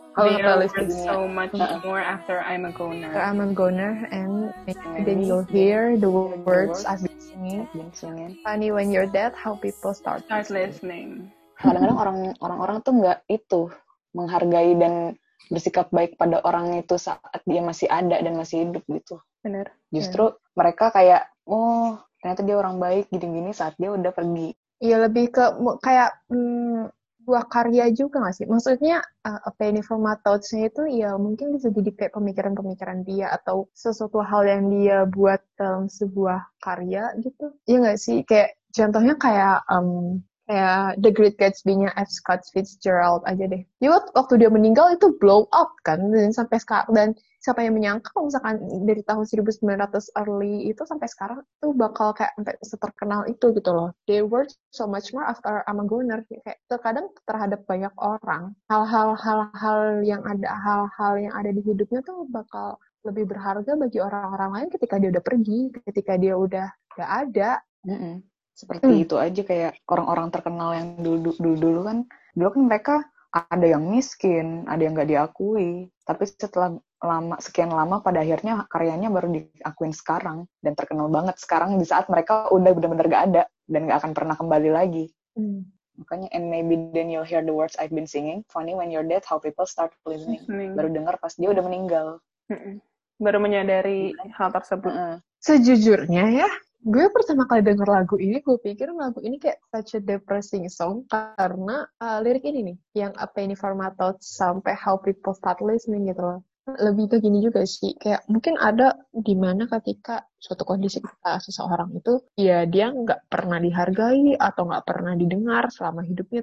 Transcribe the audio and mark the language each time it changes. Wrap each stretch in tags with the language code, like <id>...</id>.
<en>I'll learn so much more after I'm a goner. I'm a goner, and then you'll hear the words I've been singing. Funny when you're dead, how people start listening.</en> <id>Kadang-kadang orang-orang tuh nggak itu menghargai dan bersikap baik pada orang itu saat dia masih ada dan masih hidup gitu. Benar. Justru mereka kayak, oh ternyata dia orang baik gini-gini saat dia udah pergi. Iya, lebih ke kayak. Buah karya juga gak sih? Maksudnya,</id> <en>a penny for my thoughts-</en> <id>nya itu ya mungkin bisa jadi kayak pemikiran-pemikiran dia atau sesuatu hal yang dia buat dalam sebuah karya gitu. Iya gak sih? Kayak, contohnya kayak The Great Gatsby-nya F. Scott Fitzgerald aja deh. Dia waktu dia meninggal itu blow up kan? Dan sampai sekarang, dan siapa yang menyangka misalkan dari tahun 1900 early itu sampai sekarang itu bakal kayak sampai seterkenal itu gitu loh.</id> <en>They were so much more after I'm a goner.</en> <id>Kayak terkadang terhadap banyak orang, hal-hal yang ada di hidupnya tuh bakal lebih berharga bagi orang-orang lain ketika dia udah pergi, ketika dia udah gak ada. Seperti itu aja, kayak orang-orang terkenal yang dulu kan mereka ada yang miskin, ada yang gak diakui, tapi setelah sekian lama pada akhirnya karyanya baru diakuin sekarang dan terkenal banget sekarang di saat mereka udah benar-benar gak ada dan gak akan pernah kembali lagi. Makanya,</id> <en>and maybe then you'll hear the words I've been singing. Funny when you're dead, how people start listening.</en> <id>Baru dengar pas dia udah meninggal. Baru menyadari hal tersebut. Sejujurnya ya, gue pertama kali denger lagu ini, gue pikir lagu ini kayak</id> <en>such a depressing song.</en> <id>Karena lirik ini nih, yang</id> <en>a penny for my thoughts,</en> <id>sampai</id> <en>how people start listening</en> <id>gitu loh. Lebih ke gini juga sih, kayak mungkin ada di mana ketika suatu kondisi kita seseorang itu, ya dia nggak pernah dihargai atau nggak pernah didengar selama hidupnya.</id>